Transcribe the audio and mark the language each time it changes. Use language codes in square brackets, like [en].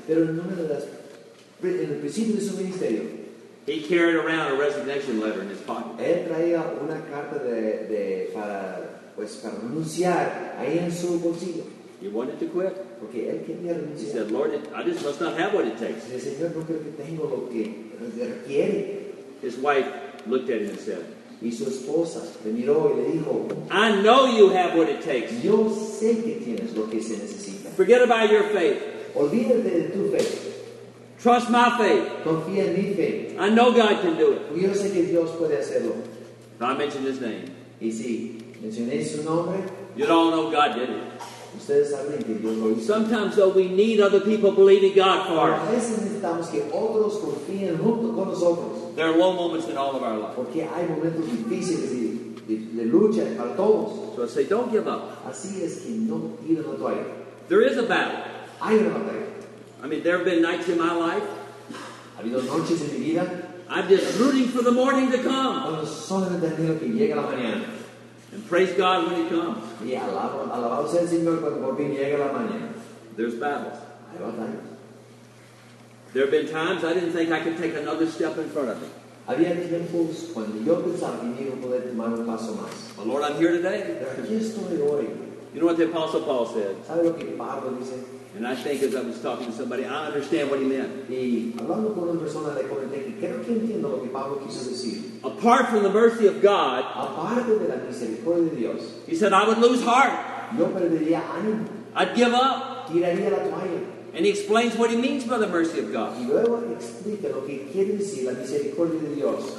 [es] Pero en una de las en el principio de su ministerio. [en] He carried around a resignation letter in his pocket. [es] Él traía una carta de para pues para renunciar ahí en su bolsillo. [en] He wanted to quit. [es] Porque él quería renunciar. [en] He said, "Lord, I just must not have what it takes." [es] Dice, "Señor, no creo que tengo lo que requiere." [en] His wife looked at him and said, [es] y su esposa le miró y le dijo, [en] "I know you have what it takes. [es] Yo sé que tienes lo que se necesita. [en] Forget about your faith. [es] Olvídate de tu fe. [en] Trust my faith. [es] Confía en mi fe. [en] I know God can do it. [es] Yo sé que Dios puede hacerlo." [en] Now I mentioned his name. [es] Y si mencioné su nombre, [en] you don't know God, did it? [es] Ustedes saben que Dios lo hizo. [en] Sometimes though we need other people believing God for us. [es] A veces necesitamos que otros confíen junto con nosotros. [en] There are low moments in all of our life. [es] Porque hay momentos difíciles de lucha para todos. [en] So I say, don't give up. [es] Así es que no tiren la toalla. [en] There is a battle. [es] Hay una batalla. [en] I mean, there have been nights in my life. [es] Ha habido noches en mi vida. [en] I'm just rooting for the morning to come. [es] Cuando solamente anhelo que llegue la mañana. [en] And praise God when He comes. [es] Y alabado sea el Señor cuando por fin llegue la mañana. [en] There's battles. [es] Hay batallas. [en] There have been times I didn't think I could take another step in front of me. [es] Había tiempos cuando yo pensaba que no iba a poder tomar un paso más. [en] But Lord, I'm here today. [es] Pero aquí estoy hoy. [en] You know what the Apostle Paul said? [es] ¿Sabe lo que Pablo dice? [en] And I think as I was talking to somebody, I understand what he meant. [es] Y hablando con una persona le comenté que creo que entiendo lo que Pablo quiso decir. [en] Apart from the mercy of God, [es] aparte de la misericordia de Dios, [en] he said, I would lose heart. [es] Yo perdería ánimo. [en] I'd give up. [es] Tiraría la toalla. [en] And he explains what he means by the mercy of God. [es] Y luego explica lo que quiere decir la misericordia de Dios.